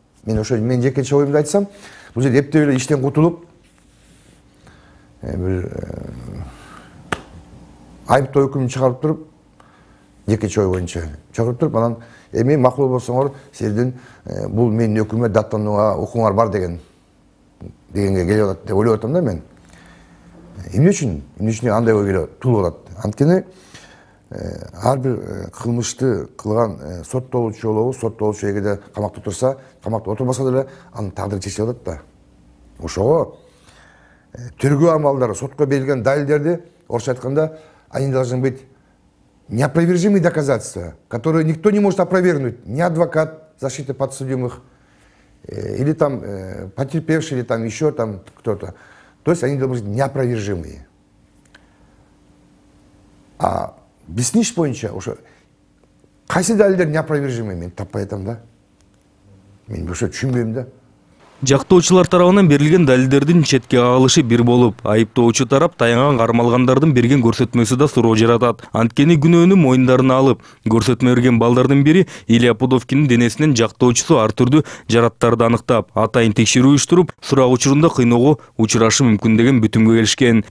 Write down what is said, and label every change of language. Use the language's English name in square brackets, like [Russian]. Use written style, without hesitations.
[Kyrgyz] Мен ошо мен жекече оюмду айтсам, бул жерде эптеп эле иштен кутулуп бир айыптоо өкүмүн чыгарып туруп жекече ой боюнча чакырып туруп анан эми макул болсоңор силердин бул менин өкүмүмө даттанууга укугуңар бар деген дегенге келип атат деп ойлоп атам да мен. Эмне үчүн? Эмне үчүн андай ой келип туулуп атат? Анткени ар бир кылмышты кылган соттолуучу болобу, соттолуучу эгерде камакта турса, камакта отурбаса деле анын тагдыры чечилип атат да. Ошого тергөө амалдары, сотко берилген далилдерди орусча айтканда [Russian] они должны быть неопровержимые доказательства, которые никто не может опровергнуть. Ни адвокат защиты подсудимых, или там потерпевший, или там еще там кто-то. То есть они должны быть неопровержимые. [Kyrgyz] А бесниш поинча, уже кайсы далилдер неопровержимый, мен таппай атам да. Мен ошо түшүнбөйм да. Жактоочулар тарабынан берилген далилдердин четке кагылышы бир болуп, айыптоочу тарап таянган кармалгандардын берген көрсөтмөсү да суроо жаратат. Анткени күнөөнү мойундарына алып, көрсөтмө берген балдардын бири Илья Пудовкиндин денесинен жактоочусу ар түрдүү жараттарды аныктап, атайын текшерүү уюштуруп, сурак учурунда кыйноого учурашы мүмкүн деген бүтүмгө келишкен.